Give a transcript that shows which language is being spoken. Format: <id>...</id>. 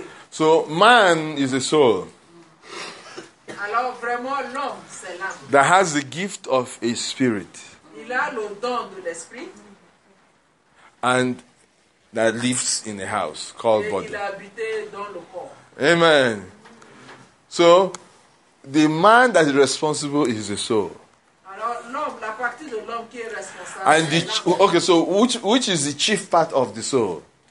<en>So man is a soul that has the gift of a spirit.</en> <fr>Il a le don de l'esprit.</fr> <en>And that lives in a house called</en> <fr>et</fr> <en>body.</en> <fr>Il a habité dans le corps.</fr> <en>Amen. So the man that is responsible is the soul.</en> <fr>Alors, l'homme, la partie de l'homme qui est responsable.</fr> <en>And the which is the chief part of the soul?</en>